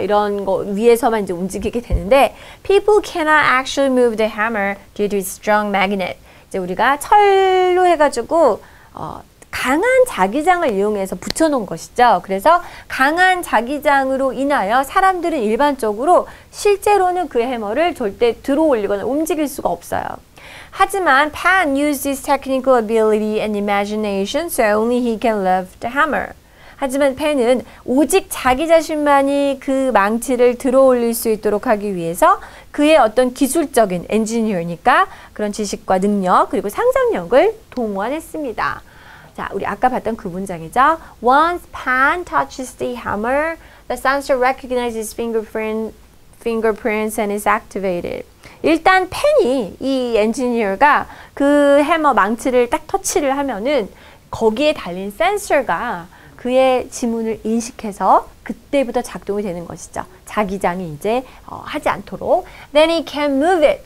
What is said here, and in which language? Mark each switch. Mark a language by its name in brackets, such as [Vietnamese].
[Korean] 이런 거 위에서만 이제 움직이게 되는데 [English] people cannot actually move the hammer due to its strong magnet. [Korean] 이제 우리가 철로 해가지고 강한 자기장을 이용해서 붙여놓은 것이죠. 그래서 강한 자기장으로 인하여 사람들은 일반적으로 실제로는 그 해머를 절대 들어올리거나 움직일 수가 없어요. 하지만 [English] Pan used his technical ability and imagination so only he can lift the hammer. [Korean] 하지만 펜은 오직 자기 자신만이 그 망치를 들어올릴 수 있도록 하기 위해서 그의 어떤 기술적인 엔지니어니까 그런 지식과 능력 그리고 상상력을 동원했습니다. 자, 우리 아까 봤던 그 문장이죠. [English] Once pen touches the hammer, the sensor recognizes fingerprints and is activated. [Korean] 일단 펜이, 이 엔지니어가 그 해머 망치를 딱 터치를 하면은 거기에 달린 센서가 그의 지문을 인식해서 그때부터 작동이 되는 것이죠. 자기장이 이제 하지 않도록. [English] Then he can move it.